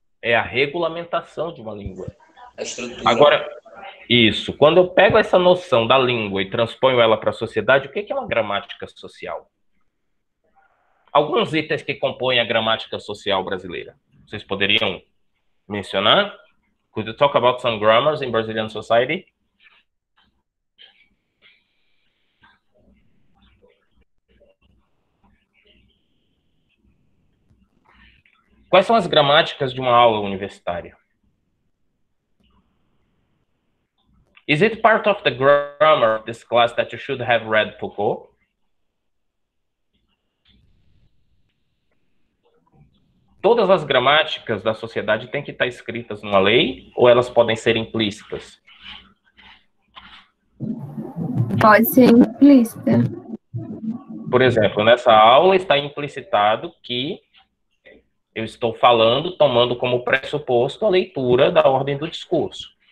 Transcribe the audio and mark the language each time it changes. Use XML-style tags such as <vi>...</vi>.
<pt>É a regulamentação de uma língua. A estrutura. Agora, isso. Quando eu pego essa noção da língua e transponho ela para a sociedade, o que é uma gramática social? Alguns itens que compõem a gramática social brasileira. Vocês poderiam mencionar?</pt> <en>Could you talk about some grammars in Brazilian society?</en> <pt>Quais são as gramáticas de uma aula universitária?</pt> <en>Is it part of the grammar of this class that you should have read Foucault?</en> <pt>Todas as gramáticas da sociedade têm que estar escritas numa lei ou elas podem ser implícitas? Pode ser implícita. Por exemplo, nessa aula está implicitado que eu estou falando, tomando como pressuposto a leitura da ordem do discurso.</pt>